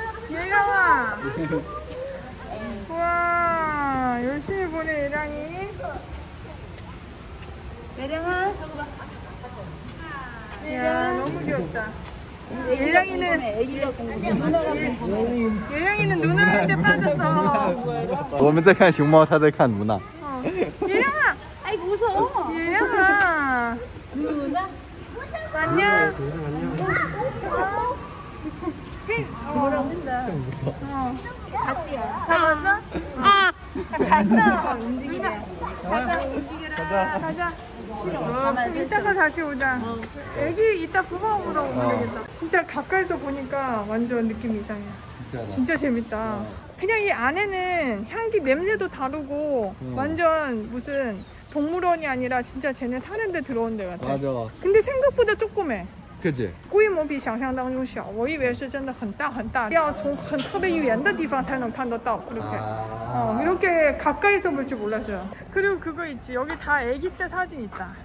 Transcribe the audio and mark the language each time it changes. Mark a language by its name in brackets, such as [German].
[Korean] 얘야, 와, 열심히 보네 예랑이. 예랑아, 저거 봐. 야, 너무 귀엽다. 예령이는 누나한테 빠졌어. 우리는 [Chinese] 在看 熊猫, 他在 看 [Korean] 누나. 예령아, 아이고 웃어. 예령아, 누나. 안녕. 진, 뭐라고 했나? 갔어. 갔어? 갔어. 가자. 가자. 싫어. 이따가 다시 오자. 애기 이따 부모 보러 오면 되겠다. 진짜 가까이서 보니까 완전 느낌이 이상해. 진짜 재밌다. 그냥 이 안에는 향기 냄새도 다르고 완전 무슨 동물원이 아니라 진짜 쟤네 사는 데 들어온 데 같아. 맞아. 근데 생각보다 조그매. 그지? [Chinese] 规模比想象当中小. 我以为是真的很大很大要从很特别远的地方才能看得到. [Korean] 그렇게 이렇게 가까이서 볼 줄 몰랐어요. 그리고 그거 있지, 여기 다 애기 때 사진 있다.